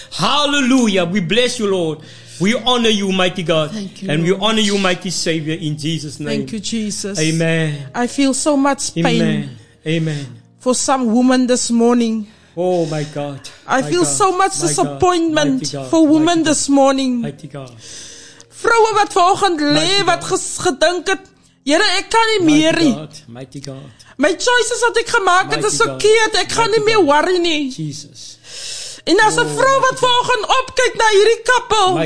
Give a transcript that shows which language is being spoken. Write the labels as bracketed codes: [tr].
[en] Hallelujah. We bless you, Lord. We honor you, mighty God. Thank you. And Lord, we honor you, mighty Savior, in Jesus' name. Thank you, Jesus. Amen. I feel so much pain. Amen. Amen. For some woman this morning. Oh, my God. I feel so much disappointment for women this morning. Mighty God. [af] Vroue wat vanoggend lê, wat gedink het, Here, ek kan nie meer nie. [en] Mighty God. My choices [af] wat ek gemaak het is verkeerd. Ek gaan nie meer worry nie. Jesus. En as 'n vrou wat vanoggend opkyk na hierdie kappel.